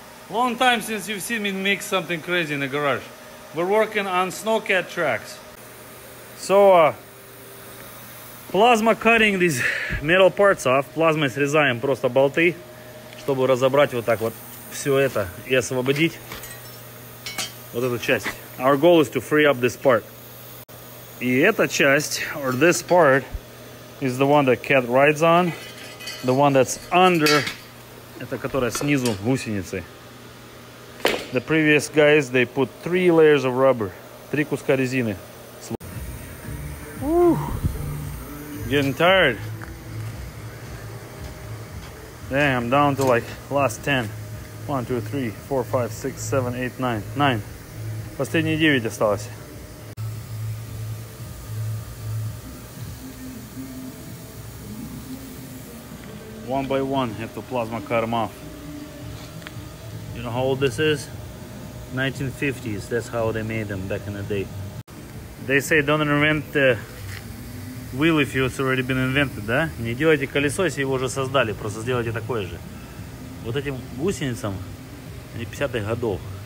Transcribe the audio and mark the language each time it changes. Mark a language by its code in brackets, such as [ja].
[en] Long time since you've seen me make something crazy in the garage. We're working on Snowcat tracks. So, plasma cutting these metal parts off. [ru] Плазмой срезаем просто болты, чтобы разобрать вот так вот. Все это и освободить вот эту часть. [en] Our goal is to free up this part. [ru] И эта часть, [en] or this part, is the one that cat rides on, the one that's under, [ru] это которая снизу гусеницы. [en] The previous guys, they put three layers of rubber, [ru] три куска резины. [en] Getting tired. Damn, I'm down to like last 10. 1, 2, 3, 4, 5, 6, 7, 8, 9. [ru] Последние 9 осталось. [en] One by one, [ru] эту плазму [en] cut them off. You know how old this is? 1950s, that's how they made them back in the day. They say don't invent the wheel if it's already been invented, [ru] да? Не делайте колесо, если его уже создали, просто сделайте такое же. Вот этим гусеницам, они 50-х годов.